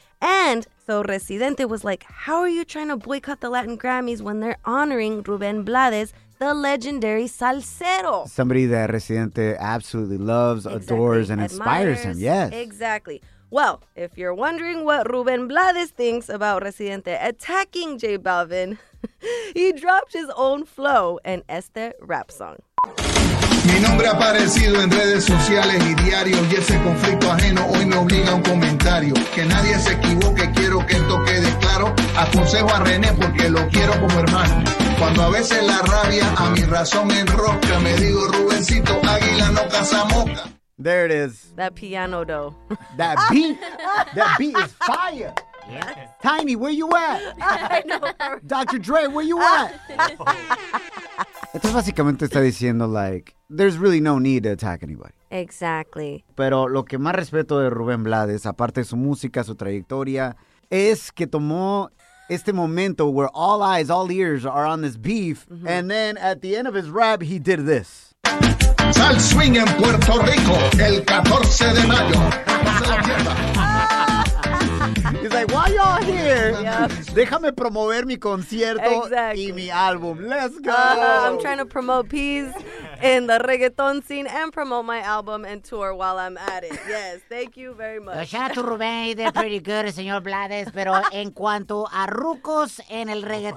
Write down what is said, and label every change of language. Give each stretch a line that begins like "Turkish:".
English: And so Residente was like, how are you trying to boycott the Latin Grammys when they're honoring Rubén Blades, the legendary salsero? Somebody that Residente absolutely loves, exactly, adores, and inspires him. Yes. Exactly. Well, if you're wondering what Rubén Blades thinks about Residente attacking J Balvin, he dropped his own flow and Este rap song.
Spanish: Mi nombre ha aparecido en redes sociales y diarios, y ese conflicto ajeno hoy me obliga a un comentario. Que nadie se equivoque, quiero que esto quede claro. Aconsejo a René porque lo quiero como hermano. Cuando a veces la rabia a mi razón enrosca, me digo Rubencito, águila no caza mosca.
English: There it is. That piano, though. That beat. That beat is fire. Yes. Tiny, where you at? I know. Dr. Dre, where you at?
Spanish: Entonces, básicamente está diciendo,
English: like, there's really no need to attack anybody. Exactly.
Spanish: Pero lo que más respeto de Rubén Blades, aparte de su música, su trayectoria, es que tomó este momento
English: where all eyes, all ears are on this beef.
Spanish: Mm-hmm.
English: And then at the end of his rap, he did this.
Spanish: Sal Swing en Puerto Rico, el 14 de mayo.
English: He's like, why y'all here? Yep.
Spanish: Déjame promover mi concierto
English: exactly.
Spanish: y mi álbum.
English: Let's go. I'm trying to promote peace in the reggaeton scene and promote my album and tour while I'm at it. Yes, thank you very much. Shout out to Rubén. They're pretty good, señor Blades.
Spanish: Pero en cuanto a rucos en el reggaeton,